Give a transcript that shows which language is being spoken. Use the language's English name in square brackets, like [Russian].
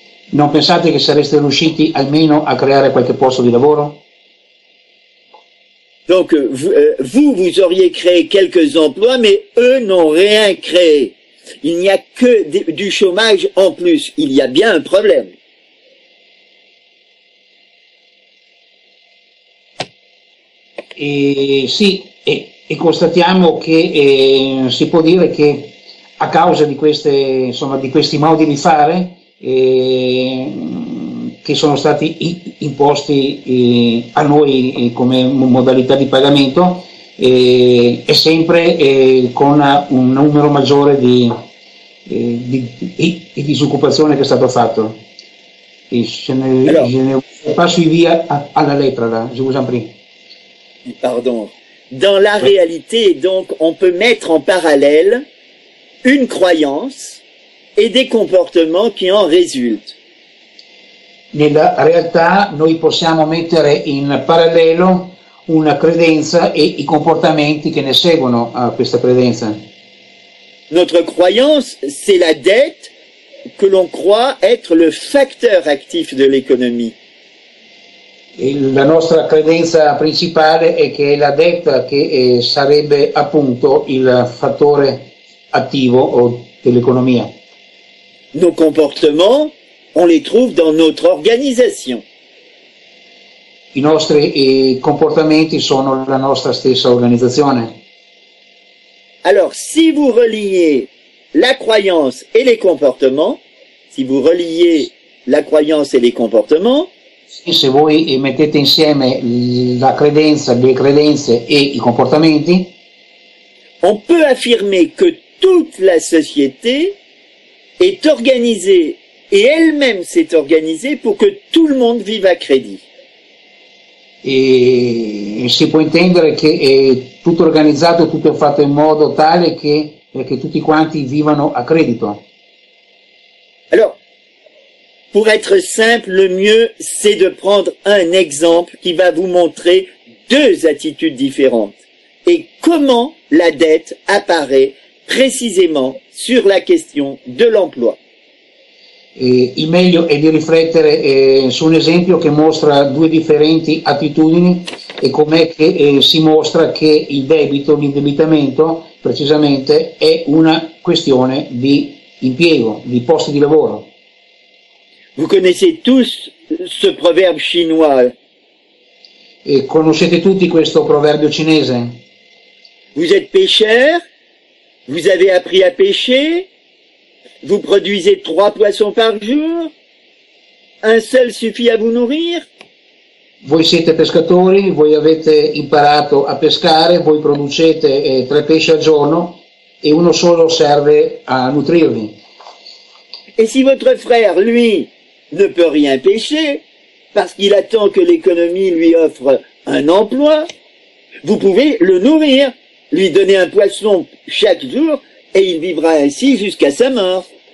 [Italian] Non pensate che sareste riusciti almeno a creare qualche posto di lavoro? [French] Donc vous, vous auriez créé quelques emplois, mais eux n'ont rien créé. Il n'y a que du chômage en plus. Il y a bien un problème. [Italian] Sì, e constatiamo che si può dire che a causa di queste, insomma, di questi modi di fare che sono stati imposti a noi come modalità di pagamento, è sempre con un numero maggiore di disoccupazione che è stato fatto. E ce ne passo via alla lettera, [French] je vous en prie. Pardon. Dans la réalité, donc, on peut mettre en parallèle une croyance et des comportements qui en résultent. [Italian] Nella realtà, noi possiamo mettere in parallelo una credenza e i comportamenti che ne seguono a questa credenza. [French] Notre croyance, c'est la dette que l'on croit être le facteur actif de l'économie. [Italian] La nostra credenza principale è che è la debita che sarebbe appunto il fattore attivo dell'economia. [French] Nos comportements, on les trouve dans notre organisation. [Italian] I nostri comportamenti sono la nostra stessa organizzazione. [French] Alors, si vous reliez la croyance et les comportements, si vous reliez la croyance et les comportements, [Italian] se voi mettete insieme la credenza, le credenze e i comportamenti, [French] on peut affirmer que toute la société est organisée et elle-même s'est organisée pour que tout le monde vive à crédit. [Italian] E si può intendere che è tutto organizzato, tutto fatto in modo tale che tutti quanti vivano a credito. [French] Alors, pour être simple, le mieux, c'est de prendre un exemple qui va vous montrer deux attitudes différentes et comment la dette apparaît précisément sur la question de l'emploi. [Italian] Il meglio è di riflettere su un esempio che mostra due differenti attitudini e com'è che si mostra che il debito, l'indebitamento, precisamente, è una questione di impiego, di posti di lavoro. [French] Vous connaissez tous ce proverbe chinois. [Italian] Et conoscete tutti questo proverbio cinese? [French] Vous êtes pêcheur, vous avez appris à pêcher, vous produisez 3 poissons par jour, un seul suffit à vous nourrir. [Italian] Voi siete pescatori, voi avete imparato a pescare, voi producete 3 pesci al giorno e uno solo serve a nutrirvi. [French] Et si votre frère, lui, ne peut rien pêcher parce qu'il attend que l'économie lui offre un emploi, vous pouvez le nourrir, lui donner un poisson chaque jour et il vivra ainsi jusqu'à sa mort.